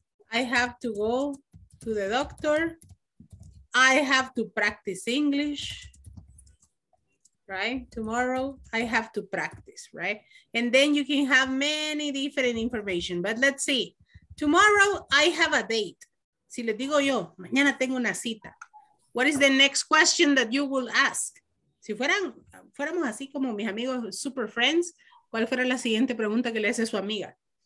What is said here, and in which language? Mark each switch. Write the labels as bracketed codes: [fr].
[en] I have to go to the doctor. I have to practice English, right? Tomorrow, I have to practice, right? And then you can have many different information, but let's see. Tomorrow, I have a date. [es] Si le digo yo, mañana tengo una cita. [en] What is the next question that you will ask? [es] Si fuéramos así como mis amigos, [en] super friends, [es] ¿cuál fuera la siguiente pregunta que le hace su amiga?